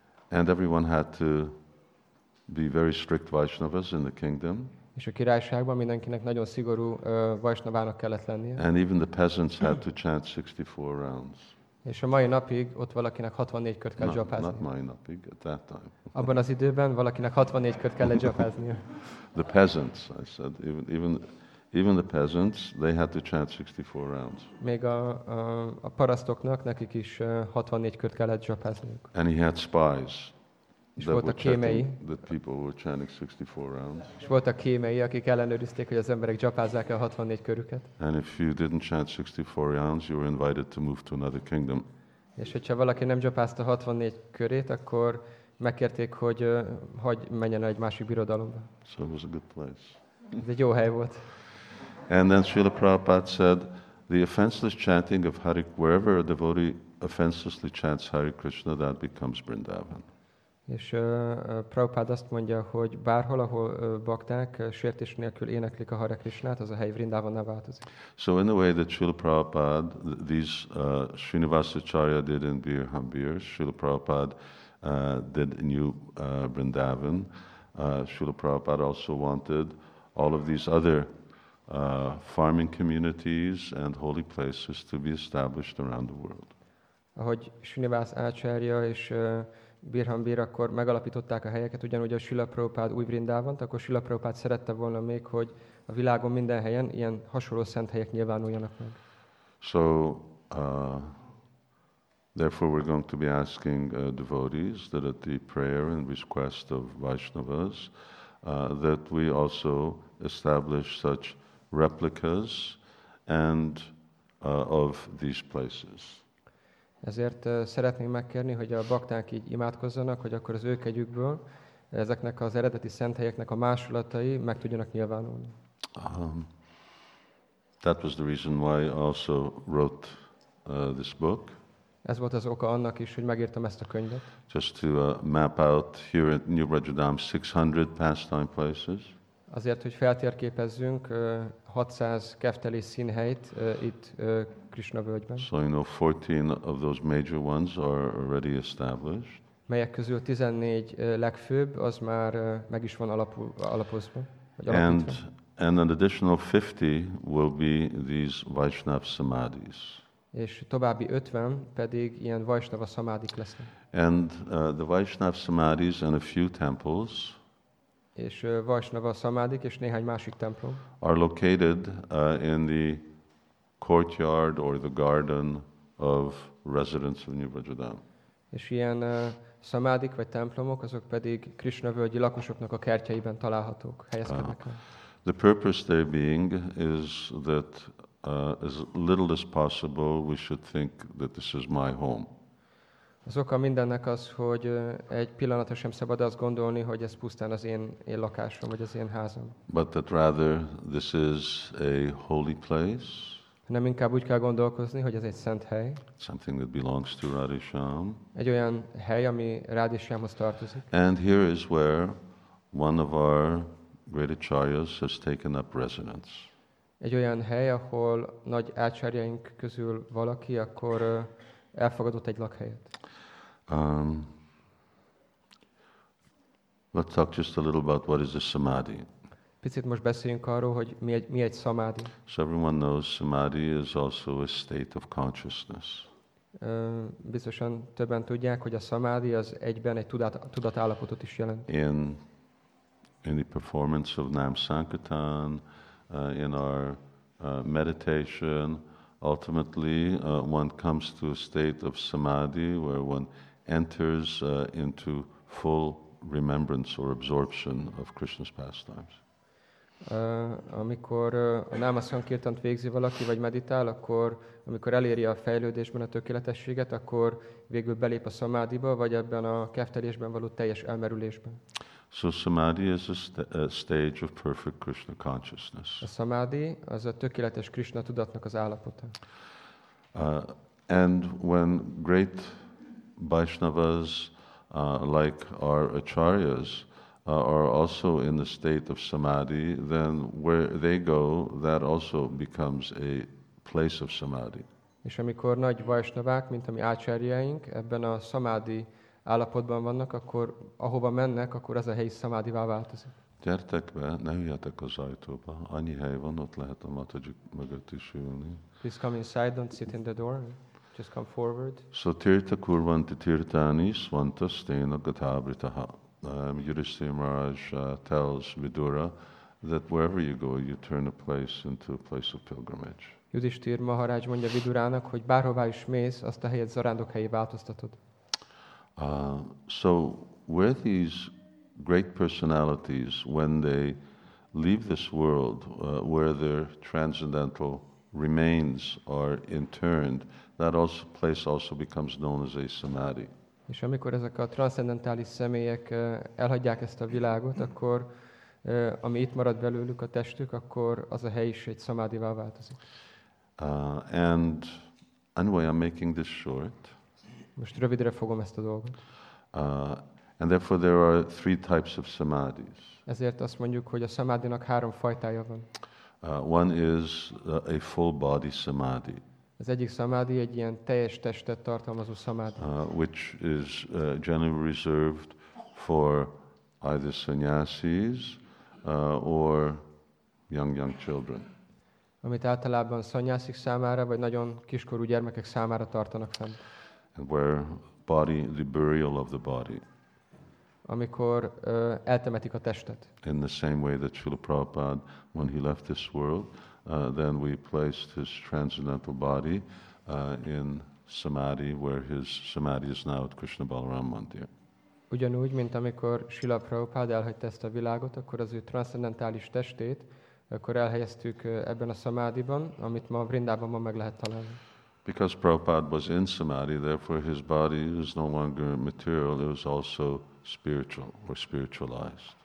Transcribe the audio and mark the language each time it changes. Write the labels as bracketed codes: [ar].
[en] And everyone had to be very strict Vaishnavas in the kingdom. [hu] És a királyságban mindenkinek nagyon szigorú Vaishnavának kellett lennie. [en] And even the peasants had to chant 64 rounds. [hu] És a mai napig ott valakinek 64 kört kell dzsapázni. [en] Not [hu] mai napig, [en] at that time. [hu] Abban az időben valakinek 64 kört kell dzsapáznia. [en] The peasants, I said, even the peasants, they had to chant 64 rounds. [hu] Még a parasztoknak, nekik is 64 kört kellett dzsapázniuk. [en] And he had spies. [hu] És volt a kémei. [en] The people were chanting 64 rounds. [hu] És volt a kémei, akik ellenőrizték, hogy az emberek dzsapázzák el 64 körüket. [en] And if you didn't chant 64 rounds, you were invited to move to another kingdom. [hu] És hogyha valaki nem dzsapázta 64 körét, akkor megkérték, hogy hagy menjen egy másik birodalomba. [en] So it was a good place. [hu] Ez egy jó hely volt. [en] And then Srila Prabhupada said, the offenseless chanting of Hari, wherever a devotee offenselessly chants Hari Krishna, that becomes Vrindavan. [hu] És Prabhupada azt mondja, hogy bárhol, ahol bakták sértés nélkül éneklik a Hare Krishnát, az a hely Vrindavanná változik. [en] So in the way that Srila Prabhupada, these Srinivasacharya did in Bir Hambir, Srila Prabhupada did in New Vrindavan, Srila Prabhupada also wanted all of these other farming communities and holy places to be established around the world. [hu] Ahogy Srinivas Acharya és Bir Hambir akkor megalapították a helyeket, ugyanúgy a Srila Prabhupada új Vrindávant, akkor Srila Prabhupada szerette volna még, hogy a világon minden helyen ilyen hasonló szent helyek nyilvánuljanak meg. [en] So, therefore we're going to be asking devotees that at the prayer and request of Vaishnavas that we also establish such replicas and of these places. [hu] Ezért szeretnénk megkérni, hogy a bakták így imádkozzanak, hogy akkor az ő kegyükből ezeknek az eredeti szent helyeknek a másolatai meg tudjanak nyilvánulni. [en] That was the reason why I also wrote this book. [hu] Ez volt az oka annak is, hogy megírtam ezt a könyvet. [en] Just to map out here at New Brajadam 600 pastime places. [hu] Azért, hogy feltérképezzünk 600 kefteli színhelyt itt Krishna völgyben. [en] So you know 14 of those major ones are already established. [hu] Melyek közül 14 legfőbb, az már meg is van alapozva. [en] And an additional 50 will be these Vaishnava samadhis. [hu] És további 50 pedig ilyen Vaishnava samadhik lesznek. [en] And the Vaishnava samadhis and a few temples [hu] és Vaishnava samadhik és néhány másik templom [en] are located in the courtyard or the garden of residents of New Vrindavan. [hu] És ilyen samadhik vagy templomok azok pedig Krishna völgyi lakosoknak a kertjeiben találhatók, helyezkednek el. [en] The purpose there being is that as little as possible we should think that this is my home. [hu] Az oka mindennek az, hogy egy pillanatra sem szabad azt gondolni, hogy ez pusztán az én lakásom, vagy az én házam. [en] But that rather this is a holy place. [hu] Nem inkább úgy kell gondolkozni, hogy ez egy szent hely. [en] Something that belongs to Radhe Shyam. [hu] Egy olyan hely, ami Radhe Shyamhoz tartozik. [en] And here is where one of our great acharyas has taken up residence. [hu] Egy olyan hely, ahol nagy ácsárjaink közül valaki, akkor elfogadott egy lakhelyet. [en] Let's talk just a little about what is a samadhi. [hu] Picit most beszéljünk arról, hogy mi egy samadhi. [en] So everyone knows samadhi is also a state of consciousness. [hu] Biztosan többen tudják, hogy a samadhi az egyben egy tudatállapotot is jelent. [en] In the performance of Nam Sankirtan, in our meditation, ultimately, one comes to a state of samadhi where one enters into full remembrance or absorption of Krishna's pastimes. [hu] Amikor a Náma Szankirtant végzi valaki, vagy meditál, akkor amikor eléri a fejlődésben a tökéletességet, akkor végül belép a samadhiba, vagy ebben a keftelésben való teljes elmerülésben. [en] So samadhi is a stage of perfect Krishna consciousness. [hu] A samadhi az a tökéletes Krishna tudatnak az állapota. [en] And when great Vaishnavas like our acharyas are also in the state of samadhi, then where they go, that also becomes a place of samadhi. [hu] És amikor nagy Vaishnavák, mint a mi acharyaink, ebben a samadhi állapotban vannak, akkor ahova mennek, akkor ez a hely szamádivá változik. Gyertek be, ne üljetek az ajtóba. Annyi hely van, ott lehet a Mataji mögött is ülni. [en] Please come inside, don't sit in the door. Just come forward. [sa] So tirtha kurvanti tirthani svantas tena gathabritaha. [en] Yudhisthira Maharaj tells Vidura that wherever you go, you turn a place into a place of pilgrimage. [hu] Yudhisthira Maharaj mondja Vidurának, hogy bárhová is mész, azt a helyet zarándok helyé változtatod. [en] So where these great personalities, when they leave this world, where their transcendental remains are interned, that also place also becomes known as a samadhi. [hu] És amikor ezek a transzcendentális személyek elhagyják ezt a világot, akkor ami itt marad belőlük a testük, akkor az a hely is egy szamádivá változik. [en] And anyway, I'm making this short. [hu] Most rövidre fogom ezt a dolgot. [en] And therefore there are three types of samadhis. [hu] Ezért azt mondjuk, hogy a szamádinak három fajtája van. [en] One is a full body samadhi. [hu] Az egyik szamádi egy ilyen teljes testet tartalmazó szamádi. [en] Which is generally reserved for either sannyasis or young children. [hu] Amit általában sannyasik számára, vagy nagyon kiskorú gyermekek számára tartanak fent. [en] And where body, the burial of the body. [hu] Amikor eltemetik a testet. [en] In the same way that Srila Prabhupada, when he left this world, then we placed his transcendental body in samadhi, where his samadhi is now at Krishna Balaram Mandir. [hu] Ugyanúgy, mint amikor Srila Prabhupada elhagyta ezt a világot, akkor az ő transzcendentális testét, akkor elhelyeztük ebben a samadhiban, amit ma Vrindávanban meg lehet találni. [en] Because Prabhupada was in samadhi, therefore his body is no longer material, it was also spiritual or spiritualized.